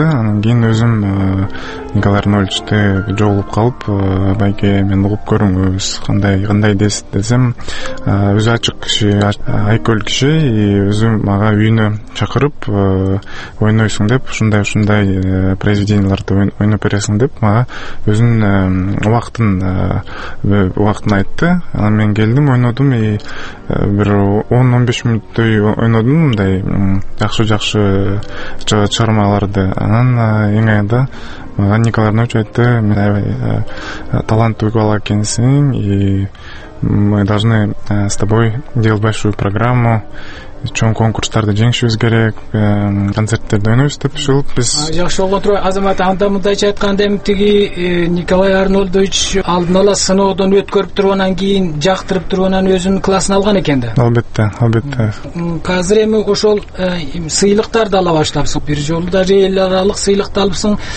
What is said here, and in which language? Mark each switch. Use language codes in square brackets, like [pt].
[ky] Анан кийин өзүм Николай Арнольдовичти жолугуп калып, байке мен угуп көрүңүз, кандай десем, өзү ачык киши, айкөл киши, өзү мага үйүнө чакырып, ойнойсуң деп, ушундай произведенияларды ойноп бересиң деп мага өзүн убактын айтты. Анан мен келдим, ойнодум и бир 10-15 мүнөттөй ойнодум, мындай жакшы чыгармаларды. Анан эң аягында мага Николай Арнольдович айтты, мен таланттуу бала экенсиң и [ru] мы должны с тобой делать большую программу. [ky] Чоң конкурстарды жеңишибиз керек, концерттерде ойнойбуз деп ушулуп биз. Жакшы болгон туруп, Азамат, анда мындайча айтканда эми тиги Николай Арнольдович алдын ала сыноодон өткөрүп турганан кийин жактырып туруп анан өзүнүн классына алган экен да. Албетте, албетте. Азыр эми ошол сыйлыктарды ала баштапсың. Бир жолу даже эл аралык сыйлыкты алыпсың.